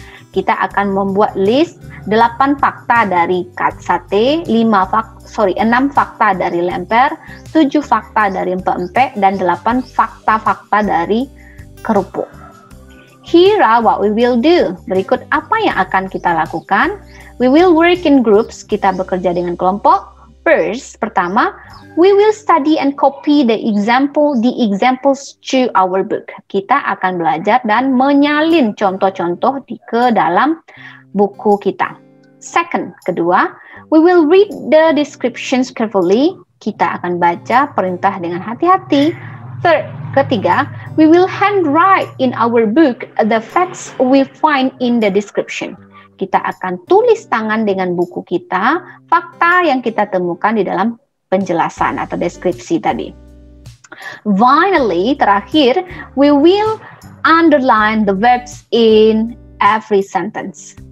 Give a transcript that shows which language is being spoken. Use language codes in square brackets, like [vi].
[id] Kita akan membuat list 8 fakta dari sate, 6 fakta dari lemper, 7 fakta dari empek-empek, dan 8 fakta-fakta dari kerupuk. [en] Here are what we will do. [id] Berikut apa yang akan kita lakukan. [en] We will work in groups. [id] Kita bekerja dengan kelompok. Pertama, [en] we will study and copy the examples to our book. [id] Kita akan belajar dan menyalin contoh-contoh ke dalam buku kita. [en] Second, [id] kedua, [en] we will read the descriptions carefully. [id] Kita akan baca perintah dengan hati-hati. [en] Third, [id] ketiga, [en] we will handwrite in our book the facts we find in the description. [id] Kita akan tulis tangan dengan buku kita fakta yang kita temukan di dalam penjelasan atau deskripsi tadi. [en] Finally, [id] terakhir, [en] we will underline the verbs in every sentence.